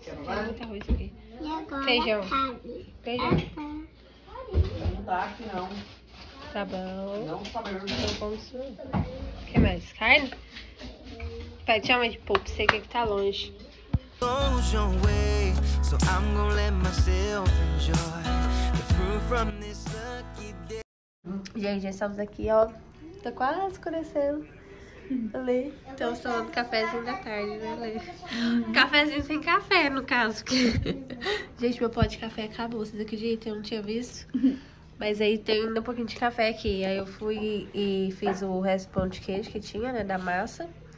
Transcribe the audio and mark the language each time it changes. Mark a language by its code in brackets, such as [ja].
[pt] Tem muito arroz aqui. E agora, feijão. Sabe. Feijão. Não dá aqui, não. Tá bom. Não sabemos. Não como isso. Quer mais? Carne? Pede chama de pouco, sei que aqui tá longe. [en] So I'm gonna let myself enjoy the fruit from this lucky day. [pt] Gente, já estamos aqui, ó. Tá quase conhecendo. Lê. Então, só do cafezinho da tarde, né, Lê? Cafezinho sem café, no caso. Gente, meu pote de café acabou. Vocês acreditam? Eu não tinha visto. Mas aí tem ainda um pouquinho de café aqui. Aí eu fui e fiz o resto pão de queijo que tinha, né, da massa.